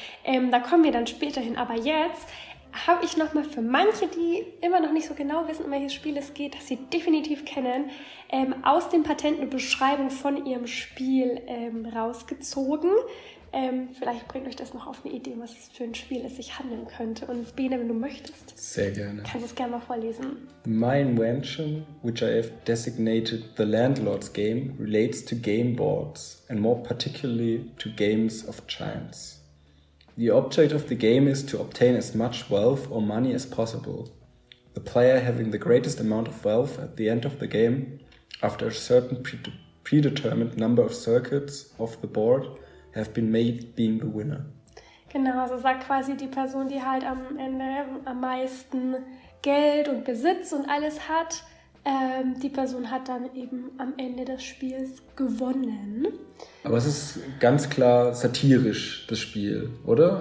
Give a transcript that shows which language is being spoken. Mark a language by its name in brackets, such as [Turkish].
[German] Da kommen wir dann später hin. Aber jetzt habe ich nochmal für manche, die immer noch nicht so genau wissen, um welches Spiel es geht, das sie definitiv kennen, aus dem Patent eine Beschreibung von ihrem Spiel rausgezogen. Vielleicht bringt euch das noch auf eine Idee, was für ein Spiel es sich handeln könnte. Und Bene, wenn du möchtest, sehr gerne, kannst du es gerne mal vorlesen. [English] My invention, which I have designated the Landlord's Game, relates to game boards and more particularly to games of chance. The object of the game is to obtain as much wealth or money as possible. The player having the greatest amount of wealth at the end of the game, after a certain predetermined number of circuits of the board, have been made being the winner. [German] Genau, also sagt quasi die Person, die halt am Ende am meisten Geld und Besitz und alles hat, die Person hat dann eben am Ende des Spiels gewonnen. Aber es ist ganz klar satirisch, das Spiel, oder?